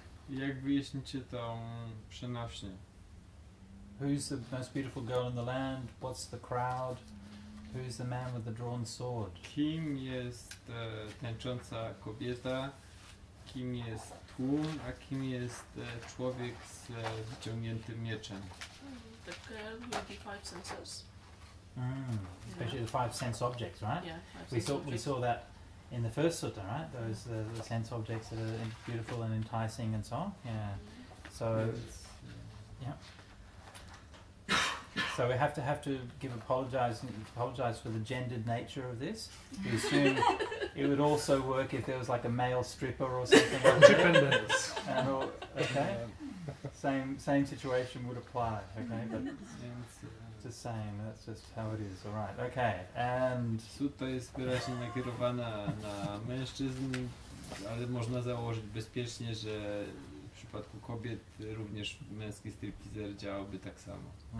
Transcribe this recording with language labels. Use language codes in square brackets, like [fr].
[pl] Jak wyjaśnić tą przenośnię? [en] Who's the most beautiful girl in the land? What's the crowd? Who's the man with the drawn sword? [pl] Kim jest tańcząca kobieta? Kim jest tłum, a kim jest człowiek z wyciągniętym mieczem? [en] The girl with the five senses. Especially the five sense objects, right? Yeah, we saw that in the first sutta, right? Those the sense objects that are beautiful and enticing and so on. Yeah. So, yeah. So we have to give apologize for the gendered nature of this. We assume it would also work if there was like a male stripper or something like that. And all, okay. Same situation would apply. Okay, but it's the same. That's just how it is. All right. Okay. And [pl] sutta jest wyraźnie nakierowana na mężczyzn, ale można założyć bezpiecznie, że w przypadku kobiet również męski stripteaser działałby tak samo.